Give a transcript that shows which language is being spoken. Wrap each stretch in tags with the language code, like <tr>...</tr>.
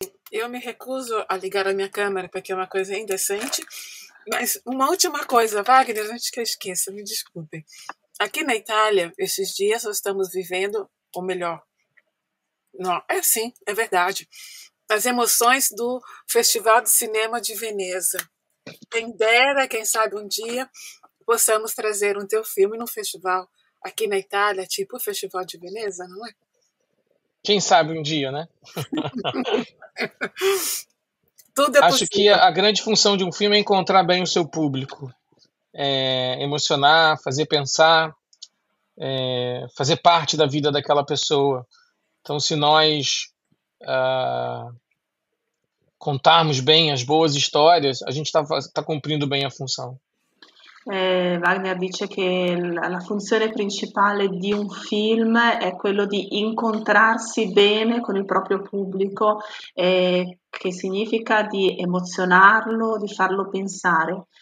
<it>Io mi recuso a legare la mia camera perché è una cosa indecente, ma una ultima cosa, Wagner, non ci esqueça, mi disculpe.</it> <pt>Aqui na Itália, esses dias, nós estamos vivendo, ou melhor, não, é sim, é verdade. As emoções do Festival de Cinema de Veneza. Quem dera, quem sabe um dia, possamos trazer um teu filme num festival aqui na Itália, tipo o Festival de Veneza, não é? Quem sabe um dia, né? Tudo é possível. Acho que a grande função de um filme é encontrar bem o seu público. É emocionar, fazer pensar, fazer parte da vida daquela pessoa. Então, se nós contarmos bem as boas histórias, a gente está cumprindo bem a função.</pt> <it>Wagner dice che la funzione principale di un film è quello di incontrarsi bene con il proprio pubblico, che significa di emozionarlo, di farlo pensare.</it>